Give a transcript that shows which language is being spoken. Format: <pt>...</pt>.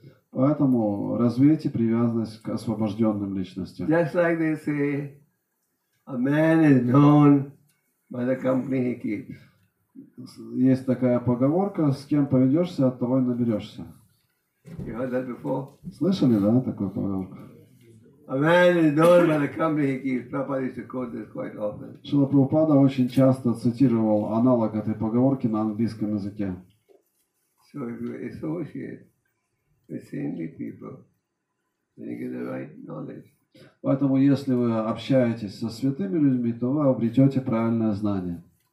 <ru>Поэтому развейте привязанность к освобожденным личностям. Есть такая поговорка, с кем поведешься, от того и наберешься.</ru> <en>You heard that before?</en> <ru>Слышали, да, такую поговорку?</ru> <en>A man is known by the company he keeps. Prabhupada used to quote this quite often.</en> <ru>Шрила Прабхупада очень часто цитировал аналог этой поговорки на английском языке.</ru> <en>So if you associate with saintly people, then you get the right knowledge.</en> <ru>Поэтому, если вы общаетесь со святыми людьми, то вы обретете правильное знание.</ru>